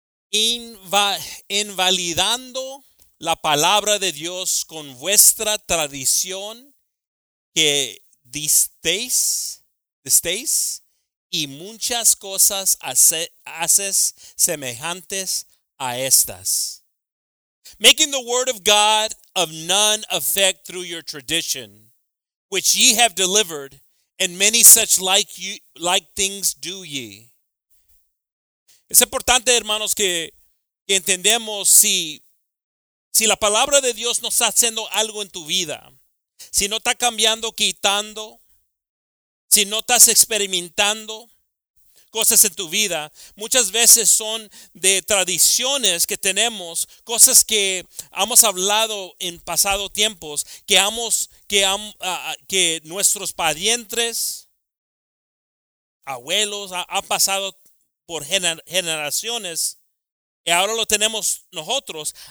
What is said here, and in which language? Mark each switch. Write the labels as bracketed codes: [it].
[es] Invalidando la palabra de Dios con vuestra tradición que disteis y muchas cosas haces semejantes a estas. [en] Making the word of God of none effect through your tradition, which ye have delivered, and many such like things do ye. [es] Es importante, hermanos, que entendemos si la palabra de Dios no está haciendo algo en tu vida, si no está cambiando, quitando, si no estás experimentando cosas en tu vida, muchas veces son de tradiciones que tenemos, cosas que hemos hablado en pasado tiempos, que nuestros parientes, abuelos, ha pasado por generaciones, y ahora lo tenemos nosotros.